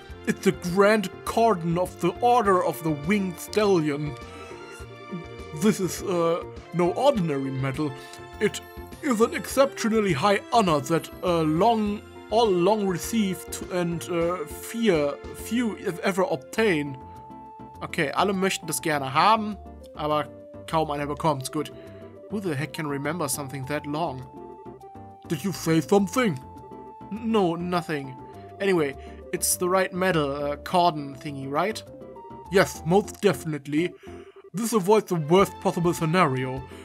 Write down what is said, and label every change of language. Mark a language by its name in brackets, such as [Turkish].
[English] It's the Grand Cordon of the Order of the Winged Stallion. This is no ordinary medal. It is an exceptionally high honor that long received and few if ever obtain. [German] Okay, alle möchten das gerne haben, aber kaum einer bekommt's. Gut. [English] Who the heck can remember something that long? Did you say something? No, nothing. Anyway, it's the right medal, cordon thingy, right? Yes, most definitely. This avoids the worst possible scenario.